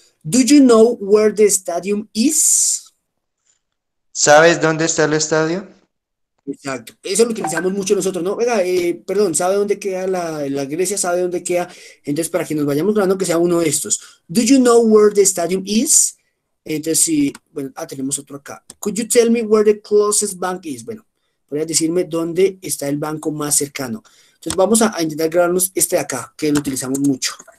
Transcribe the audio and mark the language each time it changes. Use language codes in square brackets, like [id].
[en] Do you know where the stadium is? [es] ¿Sabes dónde está el estadio? Exacto. Eso lo utilizamos mucho nosotros, ¿no? Venga, perdón, ¿sabe dónde queda la iglesia? ¿Sabe dónde queda? Entonces, para que nos vayamos grabando, que sea uno de estos. [en] Do you know where the stadium is? [es] Entonces, sí, bueno, tenemos otro acá. [en] Could you tell me where the closest bank is? [es] Bueno, podrías decirme dónde está el banco más cercano. Entonces, vamos a intentar grabarnos este de acá, que lo utilizamos mucho.